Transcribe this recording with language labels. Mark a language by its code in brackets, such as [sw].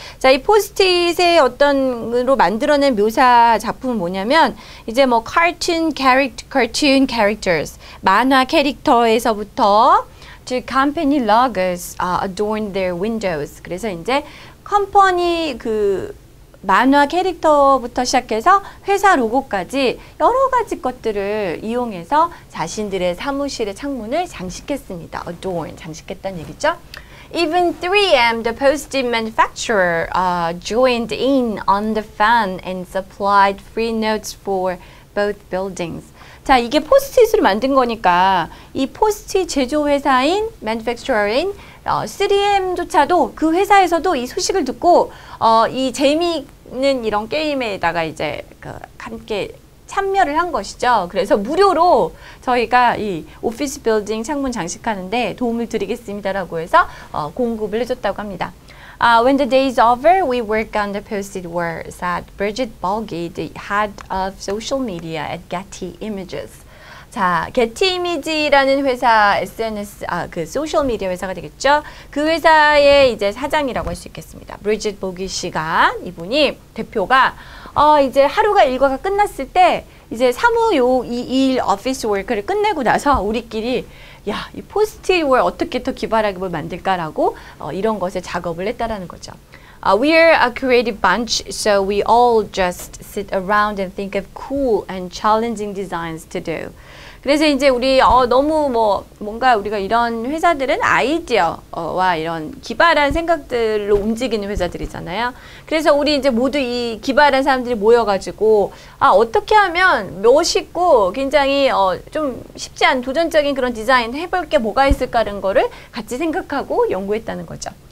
[ko] 자, 이 포스트잇의 어떤으로 만들어낸 묘사 작품은 뭐냐면 이제 뭐 [en] cartoon characters [ko] 만화 캐릭터에서부터 [en] to company logos adorn their windows. [ko] 그래서 이제 컴퍼니 그 만화 캐릭터부터 시작해서 회사 로고까지 여러 가지 것들을 이용해서 자신들의 사무실의 창문을 장식했습니다. Adorn, 장식했다는 얘기죠. [en] Even 3M, the post-it manufacturer, joined in on the fun and supplied free notes for both buildings. [ko] 자, 이게 포스트잇으로 만든 거니까 이 포스트잇 제조회사인, manufacturer인 3M조차도 그 회사에서도 이 소식을 듣고 이 재미있는 이런 게임에다가 이제 함께 참여를 한 것이죠. 그래서 무료로 저희가 이 오피스 빌딩 창문 장식하는데 도움을 드리겠습니다라고 해서 공급을 해줬다고 합니다. [en] When the day is over, we work on the posted words that Bridget Balgi, the head of social media at Getty Images. [ko] 자, Getty Images라는 회사 SNS 아, 그 소셜 미디어 회사가 되겠죠. 그 회사의 이제 사장이라고 할 수 있겠습니다. Bridget Balgi 씨가 이분이 대표가 이제 하루가 일과가 끝났을 때 이제 사무 요 이 일 [en] office work [ko] 를 끝내고 나서 우리끼리 야, 이 포스트잇 월 어떻게 더 기발하게 만들까라고 이런 것에 작업을 했다라는 거죠. [en] We are a creative bunch, so we all just sit around and think of cool and challenging designs to do. [ko] 그래서 이제 우리 너무 뭐 뭔가 우리가 이런 회사들은 아이디어와 이런 기발한 생각들로 움직이는 회사들이잖아요. 그래서 우리 이제 모두 이 기발한 사람들이 모여가지고 어떻게 하면 멋있고 굉장히 좀 쉽지 않은 도전적인 그런 디자인 해볼 게 뭐가 있을까라는 거를 같이 생각하고 연구했다는 거죠.